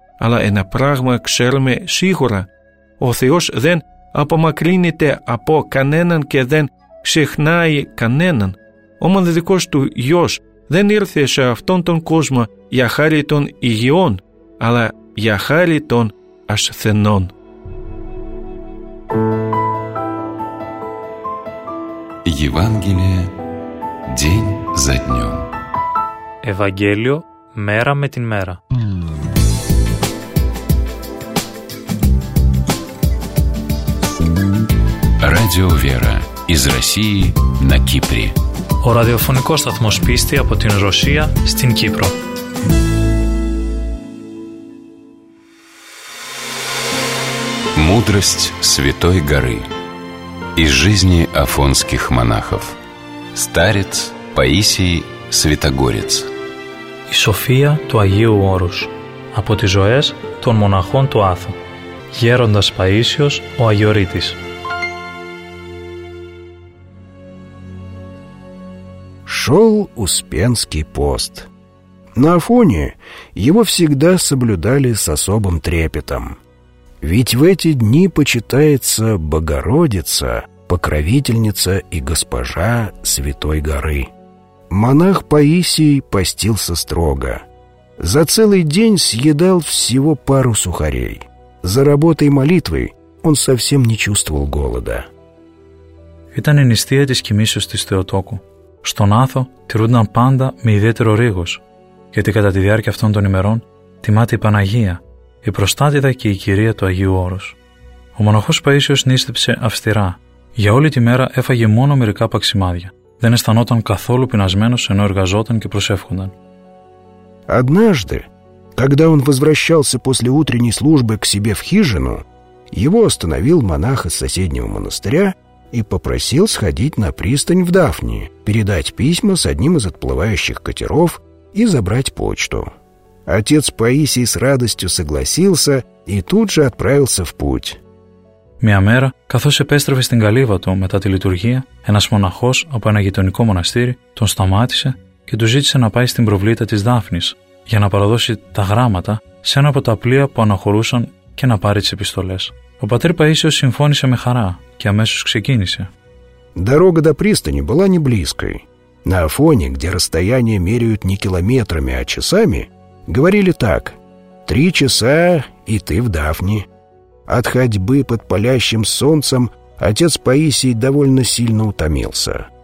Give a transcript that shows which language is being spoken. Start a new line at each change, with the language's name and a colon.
Greek: Αλλά ένα πράγμα ξέρουμε σίγουρα. Ο Θεός δεν απομακρύνεται από κανέναν και δεν ξεχνάει κανέναν. Ο μοναδικός του Υιός δεν ήρθε σε αυτόν τον κόσμο για χάρη των υγιών, αλλά για χάρη των ασθενών.
Russian: Ευαγγέλιο, день за днем.
Greek: Ευαγγέλιο, μέρα με την μέρα.
Russian: Радио Вера. Из России на Кипре.
Greek: Ο ραδιοφωνικός σταθμός πίστη από την Ρωσία στην Κύπρο.
Russian: Мудрость Святой Горы. Из жизни афонских монахов. Старец Паисий Святогорец.
Greek: Η σοφία του Αγίου Όρους. Από τις ζωές των μοναχών του Άθου. Γέροντας Παΐσιος ο Αγιορείτης.
Russian: Шел Успенский пост. На Афоне его всегда соблюдали с особым трепетом. Ведь в эти дни почитается Богородица, покровительница и госпожа Святой Горы. Монах Паисий постился строго. За целый день съедал всего пару сухарей. За работой молитвы он совсем не чувствовал голода.
Greek: Ήταν η νηστεία της κοιμήσεως της Θεοτόκου. Στον Άθο τηρούνταν πάντα με ιδιαίτερο ρίγος, γιατί κατά τη διάρκεια αυτών των ημερών τιμάται η Παναγία, η προστάτηδα και η κυρία του Αγίου Όρους. Ο μοναχός Παΐσιος νήστεψε αυστηρά. Για όλη τη μέρα έφαγε μόνο μερικά παξιμάδια. Δεν αισθανόταν καθόλου πεινασμένος ενώ εργαζόταν και προσεύχονταν.
Russian: Однажды, когда он возвращался после утренней службы к себе в хижину, его остановил монах из соседнего монастыря и попросил сходить на пристань в Дафни, передать письма с одним из отплывающих катеров и забрать почту. Отец Паисий с радостью согласился и тут же отправился в путь.
Greek: Μια μέρα, καθώς επέστρεφε στην καλύβα του μετά τη λειτουργία, ένας μοναχός από ένα γειτονικό μοναστήρι τον σταμάτησε και του ζήτησε να πάει στην προβλήτα της Δάφνης για να παραδώσει τα γράμματα σε ένα από τα πλοία που αναχωρούσαν και να πάρει τις επιστολές. Ο πατήρ Παΐσιος συμφώνησε με χαρά και αμέσως ξεκίνησε.
Russian: Дорога до пристани была не близкой. На Афоне, где расстояние меряют не километрами, а часами, говорили так: «Три часа, и ты в Дафни». От ходьбы под палящим солнцем отец Паисий довольно сильно утомился.